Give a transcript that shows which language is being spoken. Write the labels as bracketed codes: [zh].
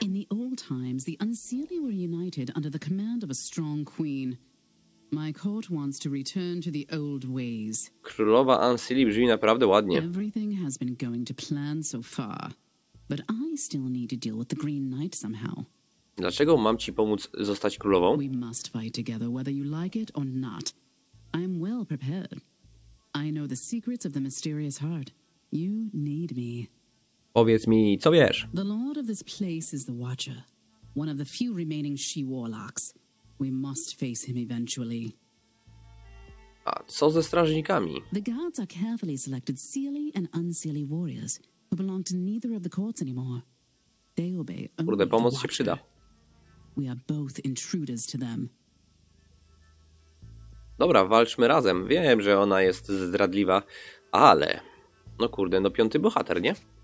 [en] In the old times, the Unseelie were united under the command of a strong queen. My court wants to return to the old ways. [pl] Królowa Anseli brzmi naprawdę ładnie. [en] Everything has been going to plan so far, but I still need to deal with the Green Knight somehow. [pl] Dlaczego mam ci pomóc zostać królową? [en] We must fight together, whether you like it or not. I am well prepared. I know the secrets of the mysterious heart. You need me. [pl] Powiedz mi, co wiesz? [en] The lord of this place is the Watcher, one of the few remaining she warlocks. We must face him eventually. [pl] A co ze strażnikami? [en] The guards are carefully selected Seelie and Unseelie warriors who belong to neither of the courts anymore. They obey only. [pl] Kurde, pomoc się przyda. [en] We are both intruders to them. [pl] Dobra, walczmy razem. Wiem, że ona jest zdradliwa, ale no kurde, no piąty bohater, nie?